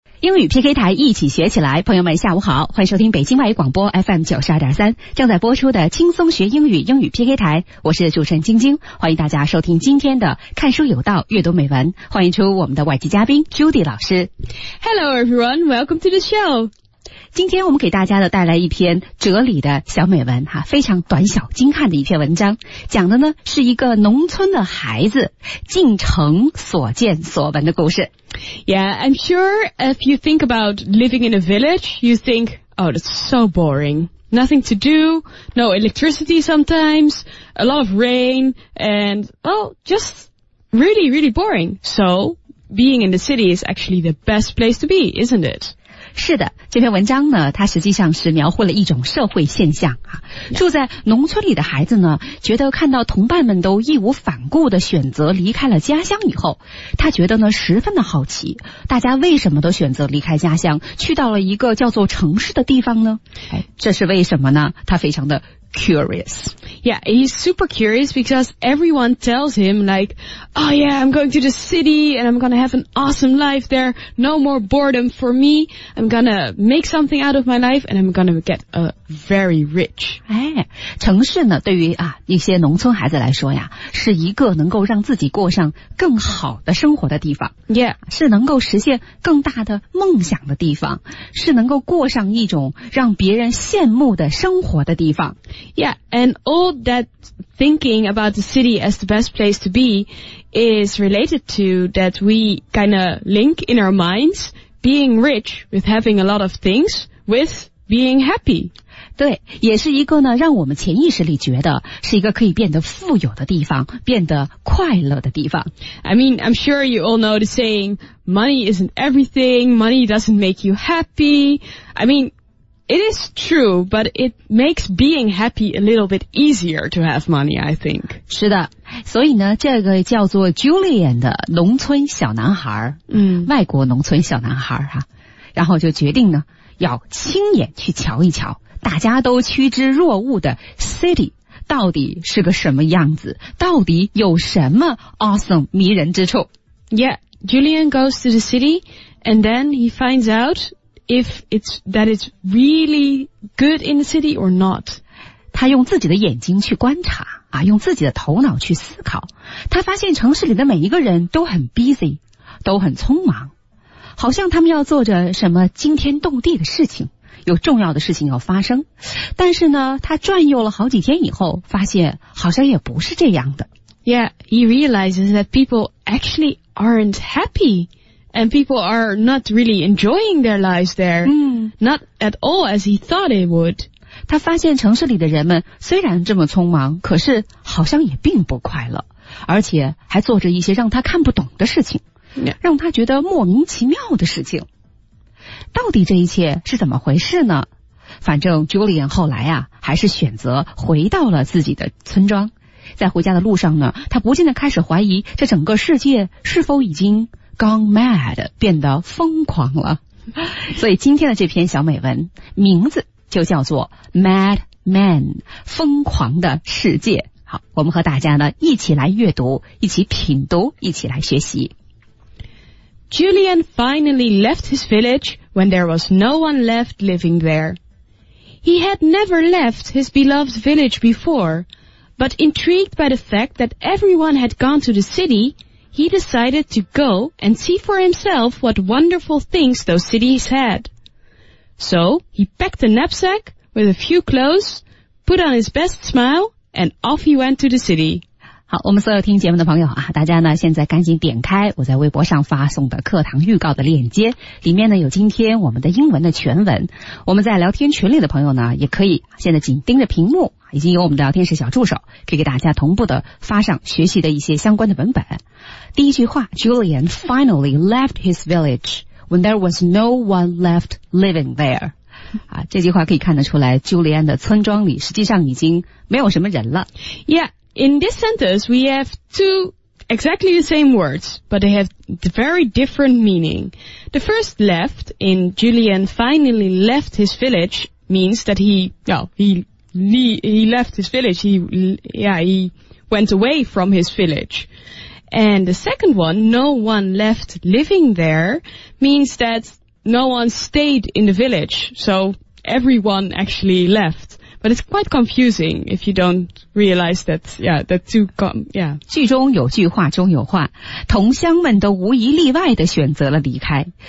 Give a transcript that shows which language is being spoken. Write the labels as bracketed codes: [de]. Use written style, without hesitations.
[zh] 英语 PK 台一起学起来，朋友们下午好，欢迎收听北京外语广播 FM92.3 正在播出的轻松学英语英语 PK 台，我是主持人晶晶，欢迎大家收听今天的看书有道阅读美文，欢迎出我们的外籍嘉宾 Judy 老师。 [en] Hello everyone, welcome to the show。 [zh] 今天我们给大家的带来一篇哲理的小美文，非常短小精悍的一篇文章，讲的呢是一个农村的孩子进城所见所闻的故事。 [en] Yeah, I'm sure if you think about living in a village, you think, oh, that's so boring. Nothing to do, no electricity sometimes, a lot of rain, and, well, just really, really boring. So, being in the city is actually the best place to be, isn't it? [zh] 是的，这篇文章呢，它实际上是描绘了一种社会现象啊。住在农村里的孩子呢，觉得看到同伴们都义无反顾地选择离开了家乡以后，他觉得呢，十分的好奇，大家为什么都选择离开家乡，去到了一个叫做城市的地方呢？这是为什么呢？他非常的curious. [en] Yeah, he's super curious because everyone tells him like, oh yeah, I'm going to the city and I'm gonna have an awesome life there. No more boredom for me. I'm gonna make something out of my life and I'm gonna get a very rich. [zh] 哎，城市呢，对于啊一些农村孩子来说呀，是一个能够让自己过上更好的生活的地方。 [en] Yeah. [zh] 是能够实现更大的梦想的地方，是能够过上一种让别人羡慕的生活的地方。 [en] Yeah, and all that thinking about the city as the best place to be is related to that we kind of link in our minds being rich with having a lot of things with being happy. [zh] 对，也是一个呢，让我们潜意识里觉得是一个可以变得富有的地方，变得快乐的地方。 [en] I mean, I'm sure you all know the saying, money isn't everything, money doesn't make you happy. I mean,It is true, but it makes being happy a little bit easier to have money, I think. [zh] 是的，所以呢，这个叫做 Julian 的农村小男孩，外国农村小男孩啊，然后就决定呢，要亲眼去瞧一瞧，大家都趋之若鹜的 city 到底是个什么样子，到底有什么 awesome 迷人之处。 [en] Yeah, Julian goes to the city, and then he finds out,if it's that it's really good in the city or not. [zh] 他用自己的眼睛去观察啊，用自己的头脑去思考，他发现城市里的每一个人都很 busy, 都很匆忙，好像他们要做着什么惊天动地的事情，有重要的事情要发生，但是呢，他转悠了好几天以后，发现好像也不是这样的。 [en] Yeah, he realizes that people actually aren't happyAnd people are not really enjoying their lives there, not at all as he thought it would. [zh] 他发现城市里的人们虽然这么匆忙，可是好像也并不快乐，而且还做着一些让他看不懂的事情，让他觉得莫名其妙的事情。到底这一切是怎么回事呢？反正 Julian 后来啊，还是选择回到了自己的村庄。在回家的路上呢，他不禁地开始怀疑这整个世界是否已经 [en] gone mad, [zh] 变得疯狂了。所以今天的这篇小美文名字就叫做 Mad Man, 疯狂的世界。好，我们和大家呢一起来阅读，一起品读，一起来学习。 [en] Julian finally left his village when there was no one left living there. He had never left his beloved village before, but intrigued by the fact that everyone had gone to the city,He decided to go and see for himself what wonderful things those cities had. So, he packed a knapsack with a few clothes, put on his best smile, and off he went to the city. [zh] 好，我们所有听节目的朋友啊，大家呢，现在赶紧点开我在微博上发送的课堂预告的链接，里面呢有今天我们的英文的全文。我们在聊天群里的朋友呢，也可以现在紧盯着屏幕，已经有我们的聊天室小助手可以给大家同步的发上学习的一些相关的文本。第一句话， [en] Julian finally left his village when there was no one left living there. [zh] 啊，这句话可以看得出来 Julian 的村庄里实际上已经没有什么人了。 [en] Yeah, in this sentence we have two exactly the same words, but they have very different meaning. The first left in Julian finally left his village means that he went away from his village. And the second one, no one left living there, means that no one stayed in the village, so everyone actually left. But it's quite confusing if you don't realize that, yeah, that two come, yeah. [zh] 句中有句话中有话，同乡们都无一例外地选择了离开。